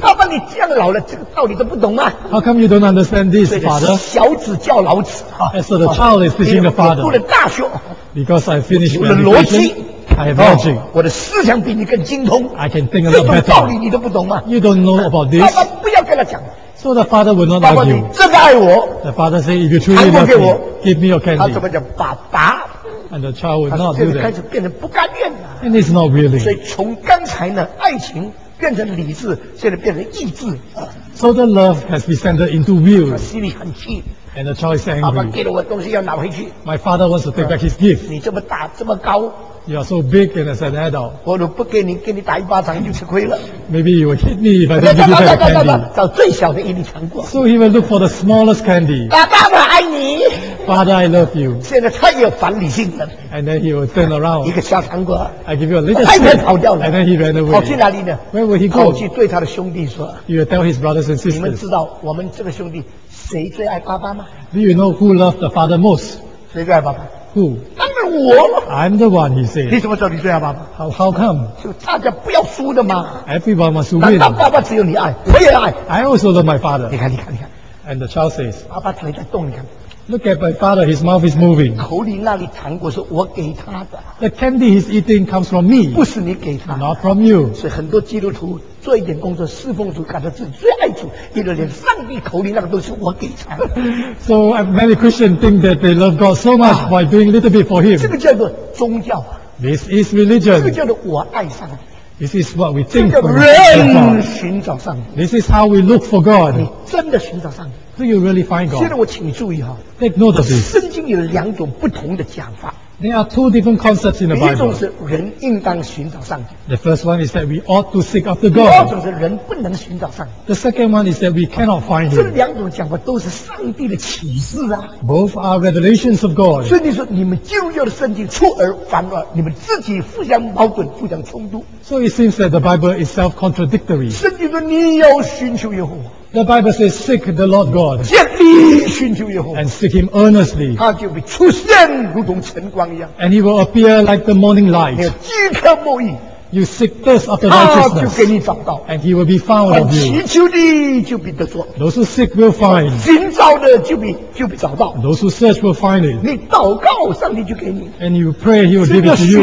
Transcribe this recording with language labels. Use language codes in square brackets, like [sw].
[zh] 爸爸，你这样老了，这个道理都不懂吗？ [en] How come you don't understand this, father? [zh] 小子叫老子。 [en] And so the child is teaching the father. [zh] 我读了大学。 [en] Because I finished my education. I have logic. [zh] 我的思想比你更精通。 [en] I can think a lot better. [zh] 这种道理你都不懂吗？ [en] You don't know about this. [zh] 爸爸，不要跟他讲。 [en] So the father would not argue. [zh] 爸爸，你真的爱我。 [en] The father said, if you truly love me, give me your candy. [zh] 他怎么讲？爸爸。 [en] And the child would not do that. [zh] 他现在开始变成不甘愿了。 [en] And it's not willing. [zh] 所以从刚才呢，爱情变成理智，现在变成意志。 [en] So the love has been centered into will. [zh] 他心里很气。 [en] And the child is angry. [zh] 爸爸给了我东西要拿回去。 [en] My father wants to take back his gift. [zh] 你这么大，这么高。 [en] You are so big and as an adult. [zh] 我如果不给你，给你打一巴掌，你就吃亏了。 [en] Maybe you will hit me if I don't give you that candy. [zh] 找最小的一粒糖果。 [en] So he will look for the smallest candy. [zh] 爸爸，爱你。 [en] Father, I love you. [zh] 现在他也反理性了。 [en] And then he will turn around. [zh] 一个小糖果。 [en] I give you a little stick. [zh] 他跑掉了。 [en] And then he ran away. [zh] 跑去哪里呢？ [en] Where will he go? [zh] 跑去对他的兄弟说。 [en] He will tell his brothers and sisters. [zh] 你们知道我们这个兄弟谁最爱爸爸吗？ [en] Do you know who loved the father most? [zh] 谁最爱爸爸？ [en] Who? [zh] 当然我了。 [en] I'm the one, he said. [zh] 你怎么知道你最爱爸爸？ [en] How come? [zh] 就大家不要输的吗？ [en] Everyone must win. [zh] 难道爸爸只有你爱？我也爱。 [en] I also love my father. [zh] 你看。 [en] And the child says, [zh] 爸爸才在动，你看。 [en] Look at my father, his mouth is moving. [zh] 口里那粒糖果是我给他的。 [en] The candy he's eating comes from me. [zh] 不是你给他。 [en] Not from you. [zh] 所以很多基督徒做一点工作，侍奉主，感到自己最爱主，因为连上帝口里那个都是我给他。 [en] So many Christians think that they love God so much by doing little bit for Him. [zh] 这个叫做宗教啊。 [en] This is religion. [zh] 这个叫做我爱上帝。 [en] This is what we think for God. [zh] 寻找上帝。 [en] This is how we look for God. [zh] 你真的寻找上帝。 [en] Do you really find God? [zh] 现在我请你注意哈。 [en] Take note of this. [zh] 圣经有两种不同的讲法。 [en] There are two different concepts in the Bible. [zh] 第一种是人应当寻找上帝。 [en] The first one is that we ought to seek after God. [zh] 第二种是人不能寻找上帝。 [en] The second one is that we cannot find Him. [zh] 这两种讲法都是上帝的启示啊。 [en] Both are revelations of God. [zh] 圣经说你们基督教的圣经出尔反尔，你们自己互相矛盾，互相冲突。 [en] So it seems that the Bible is self-contradictory. [zh] 圣经说你要寻求耶和华。 [en] The Bible says, seek the Lord God. [zh] 竭力寻求耶和华。 [en] And seek Him earnestly. [zh] 他就会出现如同晨光一样。 [en] And He will appear like the morning light. [zh] 饥渴慕义。 [en] You seek thirst after righteousness. [zh] 他就给你找到。 [en] And he will be found of you. [zh] 凡祈求的就必得着。 [en] Those who seek will find. [zh] 寻找的就必找到。 [en] Those who search will find it. [zh] 你祷告，上帝就给你。 [en] And you pray, he will give it to you.